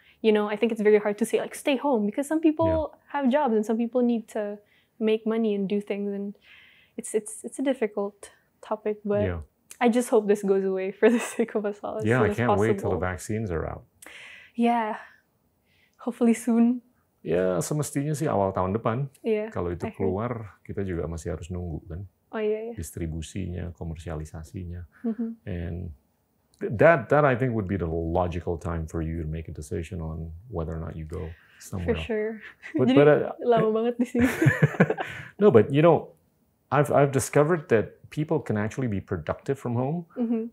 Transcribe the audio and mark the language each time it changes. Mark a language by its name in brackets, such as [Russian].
[English] You know, I think it's very hard to say, like, stay home because some people have jobs and some people need to make money and do things. And it's a difficult topic, but... Yeah. I just hope this goes away for the sake of us all. Yeah, I can't wait till the vaccines are out. Yeah, hopefully soon. [Indonesian] Yeah, semestinya sih awal tahun depan. [English] Yeah. [Indonesian] Kalau itu keluar, kita juga masih harus nunggu kan. Oh Oh, iya, iya. Distribusinya, komersialisasinya. Mm-hmm. [English] And that I think would be the logical time for you to make a decision on whether or not you go somewhere. For sure. [Indonesian] Lama banget di sini. [English] No, but you know, I've discovered that people can actually be productive from home, mm-hmm.